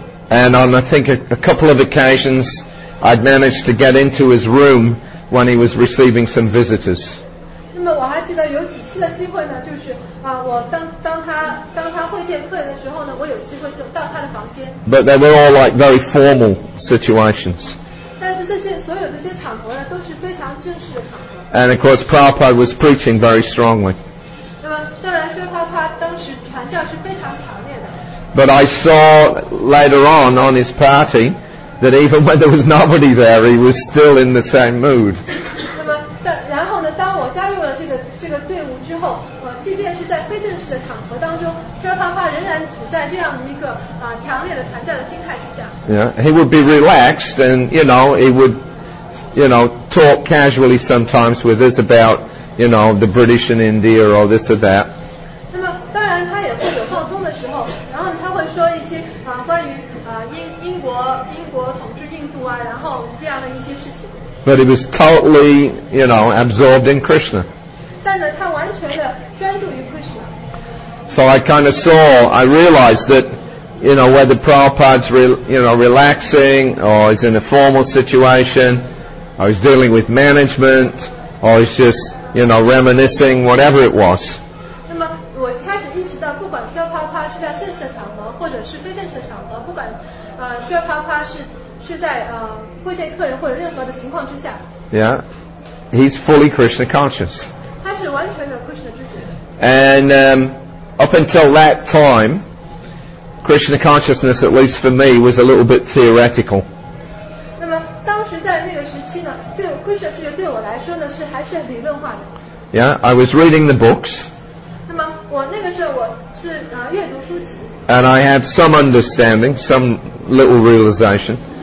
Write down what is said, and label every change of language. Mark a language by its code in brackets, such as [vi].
[en] And on, I think, a couple of occasions, I'd managed to get into his room when he was receiving some visitors. [zh] 那么我还记得有几次的机会呢，就是啊，我当他会见客人的时候呢，我有机会就到他的房间。 [en] But they were all like very formal situations. [zh] 但是这些所有的这些场合呢，都是非常正式的场合。 [en] And of course, Prabhupada was preaching very strongly. [zh] 那么虽然说他当时传教是非常强烈的。 [en] But I saw later on his party, that even when there was nobody there, he was still in the same mood. [zh] 然后呢，当我加入了这个队伍之后，即便是在非正式的场合当中，说他话仍然处在这样的一个强烈的传教的心态之下。 [en] Yeah, he would be relaxed, and he would, talk casually sometimes with us about, the British in India or this or that. [zh] 那么当然他也会有放松的时候，然后他会说一些关于英国统治印度啊，然后这样的一些事情。 [en] But he was totally, absorbed in Krishna. [zh] 但是他完全的专注于 Krishna. [en] So I realized that, whether Prabhupada's, relaxing, or he's in a formal situation, or he's dealing with management, or he's just, reminiscing, whatever it was. [zh] 那么我开始意识到，不管说 Prabhupada 是在正式场合，或者是非正式场合，不管说 Prabhupada 是在会见客人或者任何的情况之下 [en] yeah, he's fully Krishna conscious. [zh] 他是完全有 Krishna 知觉的。 [en] And up until that time, Krishna consciousness, at least for me, was a little bit theoretical. [zh] 那么当时在那个时期呢，对 Krishna 知觉对我来说呢，是还是理论化的。 [en] Yeah, I was reading the books. [zh] 那么我那个时候我是阅读书籍。 [en] And I had some understanding, some little realization.